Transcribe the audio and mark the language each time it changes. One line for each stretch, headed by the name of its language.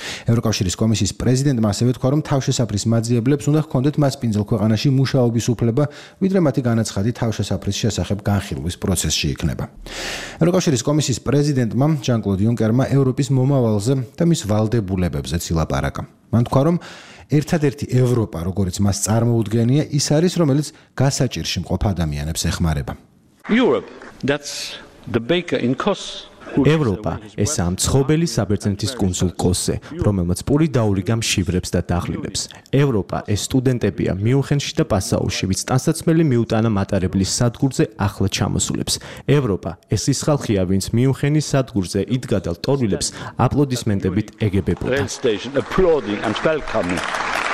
Georgian: ევროკავშირის კომისიის პრეზიდენტმა ასევე თქვა, რომ თავშესაფრის მაძიებლებს უნდა ჰქონდეთ მასპინძელ ქვეყანაში მუშაობის უფლება, ვიდრე მათი განაცხადი თავშესაფრის შესახებ განხილვის პროცესში იქნება. ევროკავშირის კომისიის პრეზიდენტმა ჟან-კლოდ იუნკერმა ევროპის მომავალზე და მის ვალდებულებებზე ცილაპარაკა. მან თქვა, რომ ერთადერთი ევროპა, როგორც მას წარმოუდგენია, ის არის, რომელიც გასაჭირში მყოფ ადამიანებს ეხმარება.
English: Europe, that's the baker in Kos.
Georgian: ევროპა, ეს ამ ცხობელი საბერძნეთის კუნძულ კოსე, რომელმაც პური დაურიგა მშიბრებს და დაღლილებს. ევროპა, ეს სტუდენტებია მიუნხენში და პასაუში, ვინც ტანსაცმელი მიუტანა მატარებლის სადგურზე ახლა ჩამოსულებს. ევროპა, ეს ის ხალხია, ვინც მიუნხენის სადგურზე იდგა და ლტოლვილებს აპლოდისმენტებით ეგებებოდა.